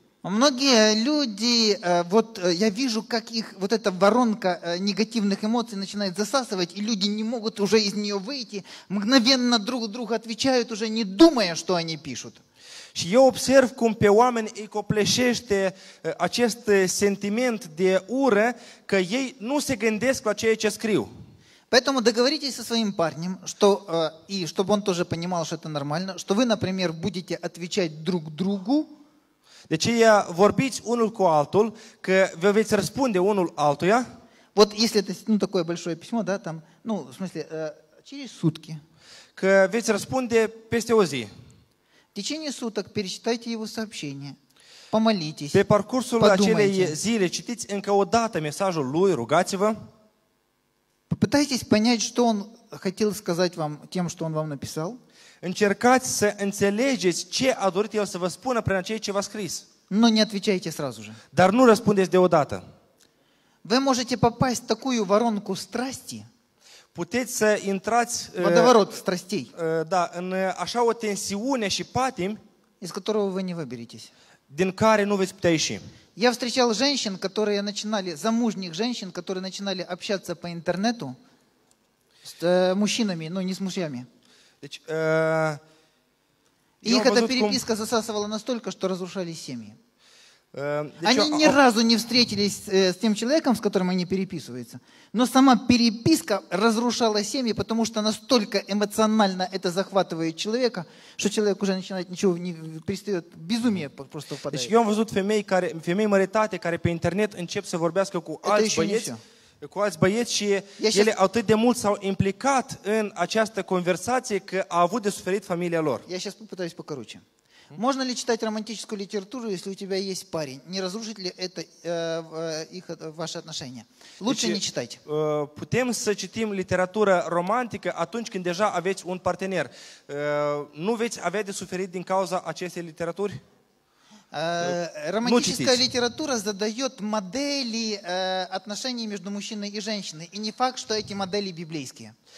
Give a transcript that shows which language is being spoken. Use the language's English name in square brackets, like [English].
[Russian] Многие люди, вот я вижу, как их вот эта воронка негативных эмоций начинает засасывать, и люди не могут уже из нее выйти, мгновенно друг другу отвечают, уже не думая, что они пишут. [Romanian] Și eu observ cum pe oameni îi copleșește acest sentiment de ură, că ei nu se gândesc la ceea ce scriu. [Russian] Поэтому договоритесь со своим парнем, что, и чтобы он тоже понимал, что это нормально, что вы, например, будете отвечать друг другу. [Romanian] Deci ea vorbiți unul cu altul, că vă veți răspunde unul altuia. [Russian] Вот если это ну, такое большое письмо, да, там, ну, в смысле, через сутки. [Romanian] Că veți răspunde peste o zi. [Russian] В течение суток перечитайте его сообщение. Помолитесь. [Romanian] Pe parcursul acelei zile citiți încă o dată mesajul lui, rugați-vă. [Russian] Попытайтесь понять, что он хотел сказать вам тем, что он вам написал. [Romanian] Încercați să înțelegeți ce a dorit el să vă spună prin ceea ce v-a scris. [Russian] Но не отвечайте сразу же. [Romanian] Dar nu răspundeți deodată. [Russian] Вы можете попасть в такую воронку страсти. [Romanian] Puteți să intrați [Russian] водоворот страстей. [Romanian] Да, în așa o tensiune și patim, [Russian] из которого вы не выберетесь. [Romanian] Din care nu veți putea ieși. [Russian] Я встречал женщин, которые начинали, замужних женщин, которые начинали общаться по интернету с мужчинами, но не с мужьями. [Romanian] Deci, [Russian] и их эта переписка засасывала настолько, что разрушали семьи. Они ни разу не встретились с тем человеком, с которым они переписываются. Но сама переписка разрушала семьи, потому что настолько эмоционально это захватывает человека, что человек уже начинает ничего не перестает, безумие просто впадает. [Romanian] Deci, я văzut femei care, femei maritate, care pe internet încep să vorbească cu alți băieți. Cu alți băieți și ele atât de mult s-au implicat în această conversație că a avut de suferit familia lor. [Russian] Я сейчас попытаюсь покороче. Можно ли читать романтическую литературу, если у тебя есть парень? Не разрушит ли это их, ваши отношения? Лучше не читать. [Romanian] Putem să citim literatura romantică atunci când deja aveți un partener. Nu veți avea de suferit din cauza acestei literaturi? [Russian] Романтическая литература задает модели отношений между мужчиной и женщиной, и не факт, что эти модели библейские.